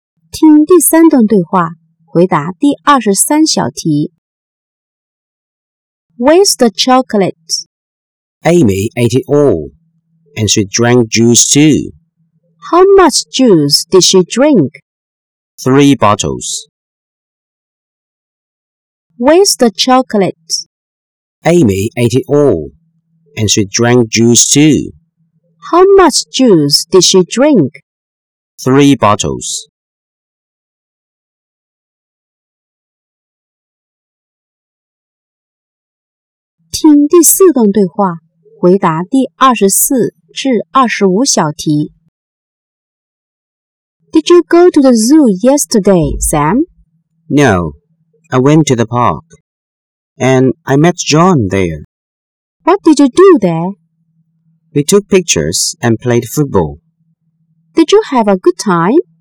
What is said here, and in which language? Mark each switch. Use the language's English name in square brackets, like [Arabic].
[Chinese] 听第三段对话，回答第23小题。 [English] Where's the chocolate? Amy ate it all, and she drank juice too. How much juice did she drink? 3 bottles. Where's the chocolate? Amy ate it all, and she drank juice too. How much juice did she drink? 3 bottles. [Chinese] 听第四段对话，回答第24至25小题。 [English] Did you go to the zoo yesterday, Sam? No. I went to the park, and I met John there. What did you do there? We took pictures and played football. Did you have a good time?